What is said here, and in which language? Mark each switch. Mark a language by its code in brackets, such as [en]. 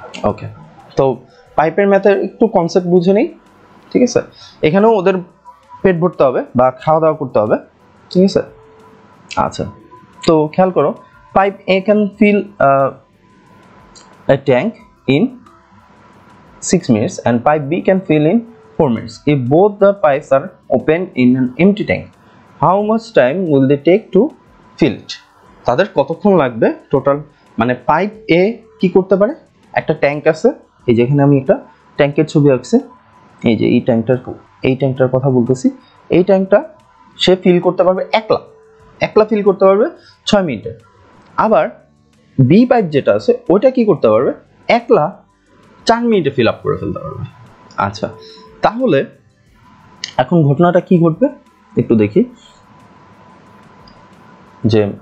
[bn] ওকে তো পাইপের ম্যাথের একটু কনসেপ্ট বুঝে নেই ঠিক আছে এখানেও ওদের পেট ভরতে হবে বা খাওয়া দাওয়া করতে হবে ঠিক আছে আচ্ছা তো খেয়াল করো [en] Pipe A can fill a tank in 6 minutes and pipe B can fill in 4 minutes. If both the pipes are open in an empty tank, how much time will they take to fill it? [bn] তাদের কতক্ষণ লাগবে total মানে pipe এ কি করতে পারে একটা tank আছে এই যে এখানে আমি একটা ট্যাঙ্কের ছবি আঁকছি এই যে এই ট্যাঙ্কটার কথা বলতেছি এই ট্যাঙ্কটা সে ফিল করতে পারবে একলা একলা ফিল করতে পারবে 6 মিনিটে আবার বি পাইপ যেটা আছে ওটা কি করতে পারবে একলা 4 মিনিটে ফিল আপ করে ফেলতে পারবে আচ্ছা তাহলে এখন ঘটনাটা কি ঘটবে একটু দেখি যে